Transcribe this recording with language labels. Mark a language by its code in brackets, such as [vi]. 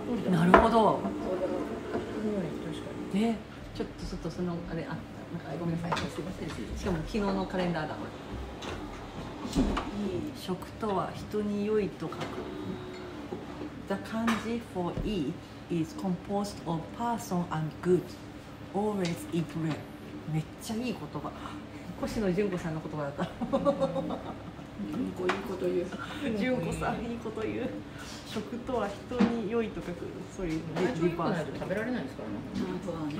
[ja] なるほど、確かに。ちょっとちょっとそのあれ、あ、なんかごめんなさい、しかも昨日のカレンダーだ。食とは人に良いと書く。 [en] The kanji for eat is composed of person and good. Always eat well. [ja] めっちゃいい言葉。越野純子さんの言葉だった。純子いいこと言う。純子さんいいこと言う。食とは人に良いと書く。そういうディープアート。食べられないですからね。